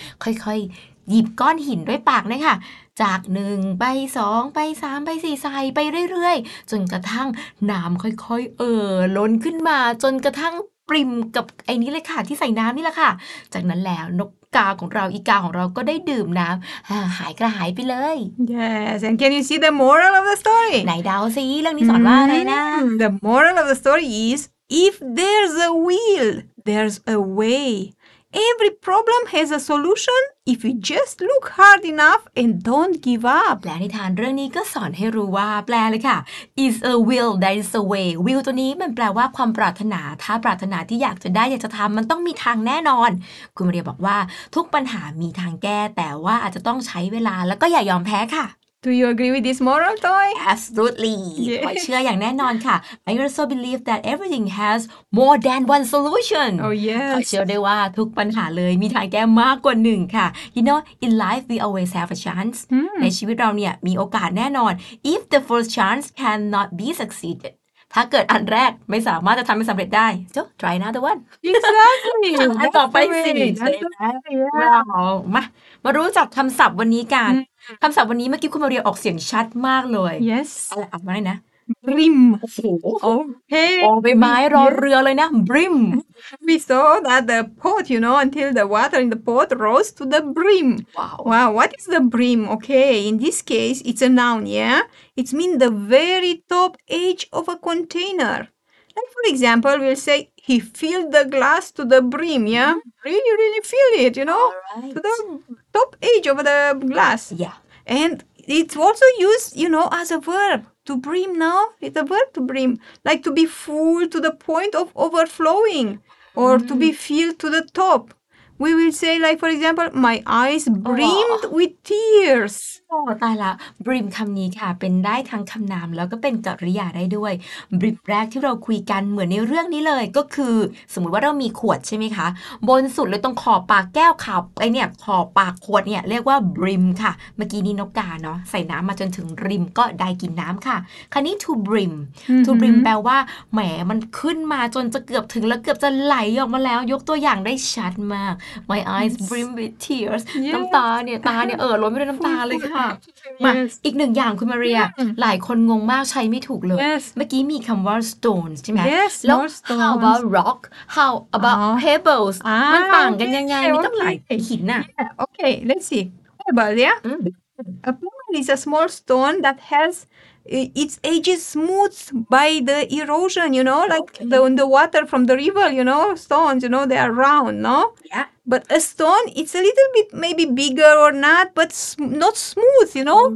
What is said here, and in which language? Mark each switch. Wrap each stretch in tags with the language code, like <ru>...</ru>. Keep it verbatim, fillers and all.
<th>ค่อยๆ หยิบก้อนหินด้วยปากนะคะจากหนึ่งไปสองไปสามไปสี่ใส่ไปเรื่อยๆ จนกระทั่งน้ำค่อยๆเอ่อล้นขึ้นมาจนกระทั่งปริมกับไอ้นี้เลยค่ะที่ใส่น้ำนี่แหละค่ะ จากนั้นแล้วนกกาของเราอีกาของเราก็ได้ดื่มน้ำอ่าหายกระหายไปเลย</th> <en>Yes, and can you see the moral of the story?</en> <th>ไหนเดาสิเรื่องนี้สอนว่าอะไรนะ</th> <en>Mm, The moral of the story is if there's a will, there's a way. Every problem has a solution if you just look hard enough and don't give up.</en> <th>และนิทานเรื่องนี้ก็สอนให้รู้ว่าแปลเลยค่ะ</th> <en>is a will that is a way</en> <th>will ตัวนี้มันแปลว่าความปรารถนา ถ้าปรารถนาที่อยากจะได้อยากจะทำมันต้องมีทางแน่นอน คุณมาเรียบอกว่าทุกปัญหามีทางแก้ แต่ว่าอาจจะต้องใช้เวลาแล้วก็อย่ายอมแพ้ค่ะ</th> <en>Do you agree with this moral, Toy? Absolutely Yeah.</en> <th>ขอเชื่ออย่างแน่นอนค่ะ</th> <en>I also believe that everything has more than one solution Oh,</en> <th>ขอ</th> <en>yes.</en> <th>เชื่อได้ว่าทุกปัญหาเลยมีทางแก้มากกว่าหนึ่งค่ะ</th> <en>You know in life we always have a chance</en> <th>ใน Hmm. ชีวิตเราเนี่ยมีโอกาสแน่นอน</th> <en>If the first chance cannot be succeeded</en> <th>ถ้าเกิดอันแรกไม่สามารถจะทำให้สำเร็จได้</th> <en>so try another one Exactly.</en> <th>อันต่อ</th> <en>That's</en> <th>ไป</th> <en>the</en> <th>สิ</th> <en>way. That's the way. Yeah.</en> <th>ว้าวมามารู้จักคำศัพท์วันนี้กัน อืม คำศัพท์วันนี้เมื่อกี้คุณมาเรียออกเสียงชัดมากเลย</th> <en>Yes.</en> <th>อะไรอ่านมาเลยนะ</th> <en>Brim.</en> <th>โอ้โห</th> <en>Okay.</en> <th>โอ้ใบไม้</th> <en>We,</en> <th>รอ</th> <en>yeah.</en> <th>เรือเลยนะ brim</th> <en>We saw that the pot, you know, until the water in the pot rose to the brim. ว้าว Wow, what is the brim? Okay, in this case, it's a noun, yeah? It means the very top edge of a container. Like, for example, we'll say, he filled the glass to the brim, yeah? Really, really fill it, you know? To alright the top edge of the glass. yeah And it's also used, you know, as a verb. To brim now, it's a verb to brim. Like to be full to the point of overflowing or to be filled to the top. We will say, like, for example, my eyes brimmed with tears.</en> <th>โอ้ตายละ brim คำนี้ค่ะเป็นได้ทั้งคำนามแล้วก็เป็นกริยาได้ด้วย brim แรกที่เราคุยกันเหมือนในเรื่องนี้เลยก็คือสมมุติว่าเรามีขวดใช่ไหมคะบนสุดเลยตรงขอบปากแก้วขาวไอเนี่ยขอบปากขวดเนี่ยเรียกว่า brim ค่ะเมื่อกี้นี้นกกาเนาะใส่น้ำมาจนถึง rim ก็ได้กินน้ำค่ะคราวนี้ to brim to brim แปลว่าแหมมันขึ้นมาจนจะเกือบถึงแล้วเกือบจะไหลออกมาแล้วยกตัวอย่างได้ชัดมาก</th> <en>my eyes brim with tears</en> <th>น้ำตาเนี่ยตาเนี่ยเอ่อล้นไปด้วยน้ำตาเลยค่ะมาอีกหนึ่งอย่างคุณมาเรียหลายคนงงมากใช้ไม่ถูกเลยเมื่อกี้มีคำว่า stone ใช่ไหมแล้ว</th> <en>how about rock how about pebbles</en> <th>มันต่างกันยังไงมีตั้งหลายหินน่ะ</th> <en>okay let's see pebbles yeah a pebble is a small stone that has its edges smoothed by the erosion you know like the the water from the river you know stones you know they are round no yeah but a stone it's a little bit maybe bigger or not but sm- not smooth you know</en>